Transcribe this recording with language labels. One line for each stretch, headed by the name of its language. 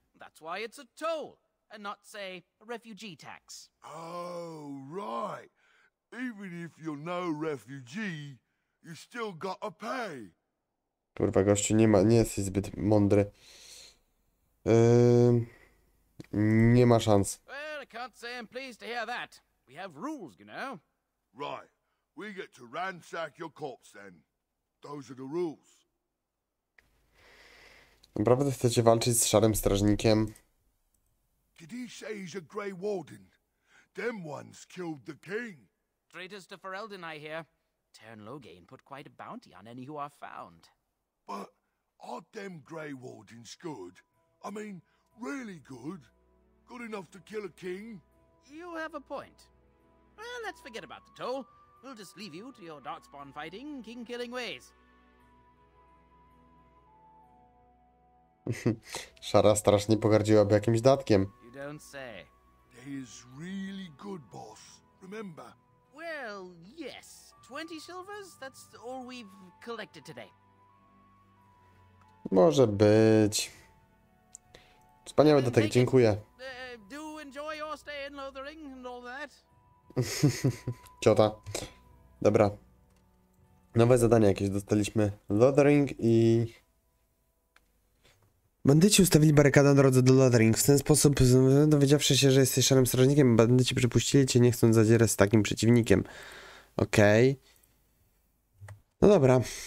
English: That's why it's a toll, and not, say, a refugee tax. Oh, right. Even if you're no refugee, you still gotta pay.
Polish: Kurwa, gościu, nie jesteś zbyt mądry. Nie ma szans.
English: Well, I can't say I'm pleased to hear that. We have rules, you know. Right. We get to ransack your corpse then. Those are the rules.
Polish: Naprawdę chcecie walczyć z Szarym Strażnikiem?
English: Did he say he's a Grey Warden? Them ones killed the king. Traitors to Ferelden, I hear. Tern Loghain put quite a bounty on any who are found. But aren't them Grey Wardens good? I mean, really good? Good enough to kill a king? You have a point. Well, let's forget about the toll. We'll just leave you to your Darkspawn fighting, king-killing ways.
Polish: Szara strasznie pogardziłaby jakimś datkiem.
English: You don't say. He is really good, boss. Remember? Well, yes. 20 silvers? That's all we've collected today.
Polish: Może być. Wspaniały dotek, dziękuję.
English: Do enjoy your stay in Lothering and all that.
Polish: Ciota. Dobra. Nowe zadanie jakieś dostaliśmy. Lothering i... Bandyci ustawili barykadę na drodze do Lothering. W ten sposób, dowiedziawszy się, że jesteś szarym strażnikiem, bandyci przypuścili cię, nie chcąc zadzierać z takim przeciwnikiem. Okej. No dobra.